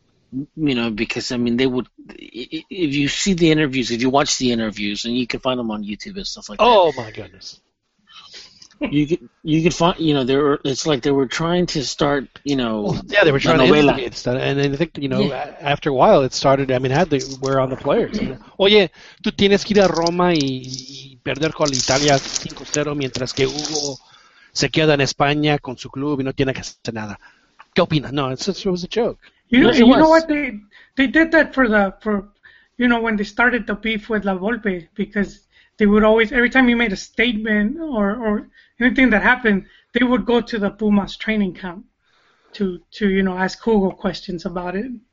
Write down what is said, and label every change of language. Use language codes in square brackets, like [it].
[en] You know, because I mean, they would, if you see the interviews, if you watch the interviews, and you can find them on YouTube and stuff like that. Oh my goodness. You could find, you know, there were, it's like they were trying to start, you know. Well, yeah, they were trying to instigate stuff. And then I think, you know, after a while it started, I mean, had the wear on the players. [es] Oye, tú tienes que ir a Roma y perder con Italia 5-0 mientras que Hugo se queda en España con su club y no tiene que hacer nada. ¿Qué opinas? [en] No, it was a joke. You know what? They did that for when they started the beef with La Volpe, because they would always, every time you made a statement or anything that happened, they would go to the Pumas training camp to you know, ask Hugo questions about it.